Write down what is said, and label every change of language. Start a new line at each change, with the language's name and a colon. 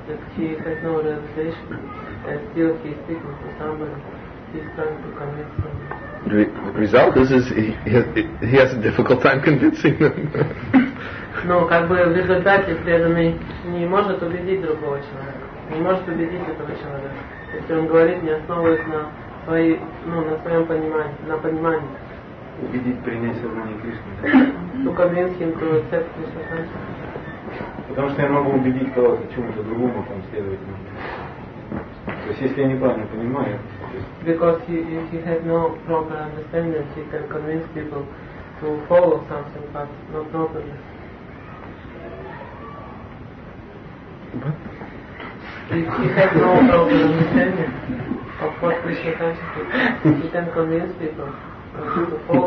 English: That he has no realization and still he is speaking to somebody. The result is he has a difficult time convincing them.
Russian: No, как бы в результате преданный не может убедить другого человека. Не может убедить этого человека. Если он говорит, не основываясь на своей, ну, на своем понимании, на понимании. Убедить принять сознание Кришны.
English: To convince him to accept Krishna.
Russian: Потому что я могу убедить кого-то чему-то другому там следовать. То есть если я неправильно понимаю.
English: Because if he has no proper understanding, he can convince people to follow something, but not properly. What? If he has no proper understanding of what Krishna consciousness, he can convince people to follow.